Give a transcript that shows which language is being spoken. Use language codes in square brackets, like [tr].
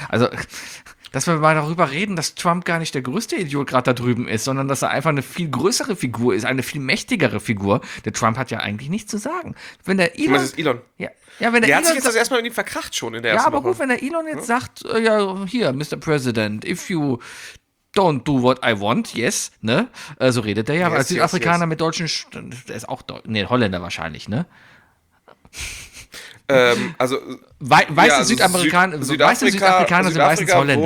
[de] Also, dass wir mal darüber reden, dass Trump gar nicht der größte Idiot gerade da drüben ist, sondern dass er einfach eine viel größere Figur ist, eine viel mächtigere Figur. Der Trump hat ja eigentlich nichts zu sagen. Wenn der Elon. Das ist Elon. Ja, wenn der Elon. Der hat sich jetzt das erstmal irgendwie verkracht schon in der ersten Woche. Ja, aber gut, wenn der Elon jetzt sagt, ja, hier, Mr. [en] President, if you don't do what I want, yes, ne? [de] So redet der ja. Yes, Südafrikaner yes. Mit deutschen. Der ist auch Holländer wahrscheinlich, ne? Also Südafrikaner sind meistens Holländer.